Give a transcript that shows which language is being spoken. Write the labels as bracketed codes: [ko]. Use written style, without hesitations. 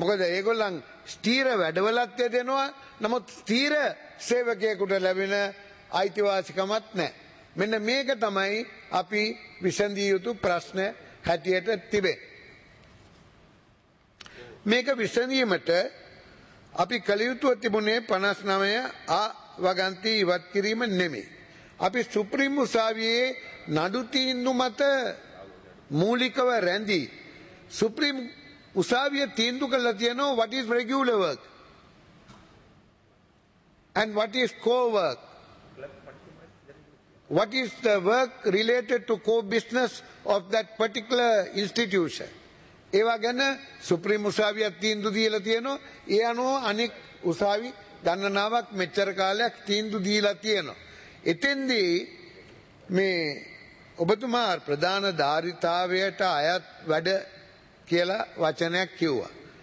[si] මොකද ඒගොල්ලන් ස්ථීර වැඩවලත්වය දෙනවා නමුත් ස්ථීර සේවකයෙකුට ලැබෙන අයිතිවාසිකමත් නැහැ. මෙන්න මේක තමයි අපි විසඳිය යුතු ප්‍රශ්න හැටියට තිබේ. මේක විසඳීමට අපි කළ යුතුව තිබුණේ 59 ආ වගන්ති ඉවත් කිරීම නෙමෙයි. අපි සුප්‍රීම උසාවියේ නඩු තීන්දුව මත මූලිකව රැඳී සුප්‍රීම උසාවිය තීන්දුව කළා තියෙනවා [en] what is regular work and what is core work, what is the work related to core business of that particular institution. [si] ඒ වගේම සුප්‍රීම උසාවිය තීන්දුව දීලා තියෙනවා ඒ අනුව අනෙක් උසාවි ගණනාවක් මෙච්චර කාලයක් තීන්දුව දීලා තියෙනවා. එතෙන්දී මේ ඔබතුමා ප්‍රධාන ධාරිතාවයට අයත් වැඩ කියලා වචනයක් කිව්වා.